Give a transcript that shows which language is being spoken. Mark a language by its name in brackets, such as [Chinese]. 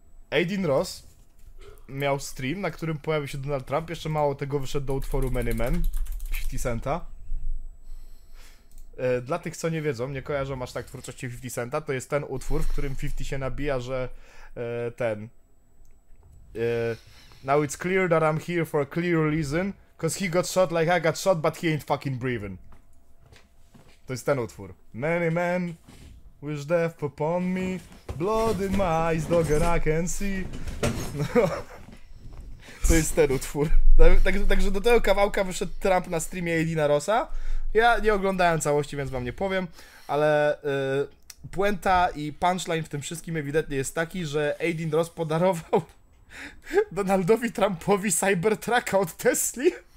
[Polish] Aidin Ross miał stream, na którym pojawił się Donald Trump, jeszcze mało tego wyszedł do utworu Many Men, 50 Centa. Dla tych, co nie wiedzą, nie kojarzą aż tak twórczości 50 Centa, to jest ten utwór, w którym 50 się nabija, że ten... [English] Now it's clear that I'm here for a clear reason, cause he got shot like I got shot, but he ain't fucking breathing. [Polish] To jest ten utwór. [English] Many men wish death upon me, blood in my eyes, dog and I can see. [Polish] No. To jest ten utwór. Także do tego kawałka wyszedł Trump na streamie Aidina Rossa. Ja nie oglądałem całości, więc wam nie powiem, ale puenta i punchline w tym wszystkim ewidentnie jest taki, że Aidin Ross podarował Donaldowi Trumpowi Cybertrucka od Tesli.